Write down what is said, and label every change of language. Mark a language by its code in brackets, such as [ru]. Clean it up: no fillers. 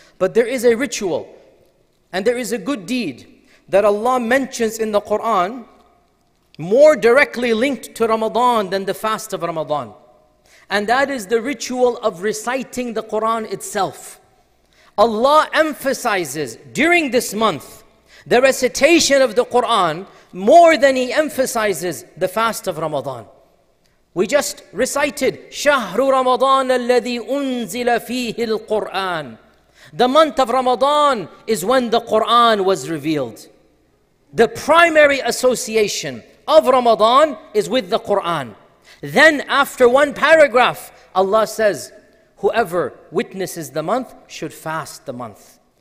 [en] But there is a ritual, and there is a good deed that Allah mentions in the Quran, more directly linked to Ramadan than the fast of Ramadan. And that is the ritual of reciting the Quran itself. Allah emphasizes during this month the recitation of the Quran more than He emphasizes the fast of Ramadan. We just recited, [ar] شَهْرُ رَمَضَانَ الَّذِي أُنزِلَ فِيهِ الْقُرْآنِ. [en] The month of Ramadan is when the Quran was revealed. The primary association of Ramadan is with the Quran. Then after one paragraph, Allah says, whoever witnesses the month should fast the month.